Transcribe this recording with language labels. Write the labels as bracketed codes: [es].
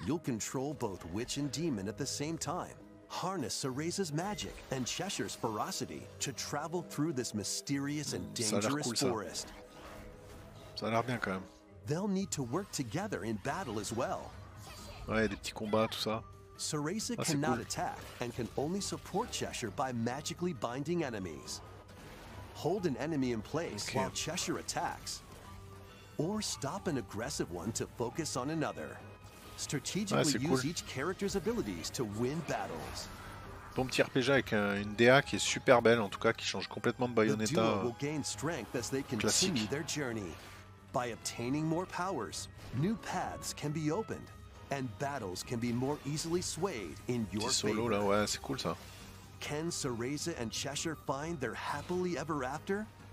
[en] You'll control both witch and demon at the same time. Harness Cereza's magic and Cheshire's ferocity to travel through this mysterious and dangerous forest. [fr] Ça a l'air bien quand même. [en] They'll need to work together in battle as well. [fr] Ouais, il y a des petits combats tout ça. [en] Cereza cannot attack and can only support Cheshire by magically binding enemies. Hold an enemy in place while Cheshire attacks or stop an aggressive one to focus on another. Strategically use each character's abilities to win battles. [fr] Bon petit RPG avec une DA qui est super belle en tout cas, qui change complètement de Bayonetta. [en] The duo will gain strength as they continue their journey. By obtaining more powers, new paths can be opened, and battles can be more easily swayed in your favor. [fr] Solo, là, ouais, c'est cool, ça. [en] Can Cereza and Cheshire find their happily ever after?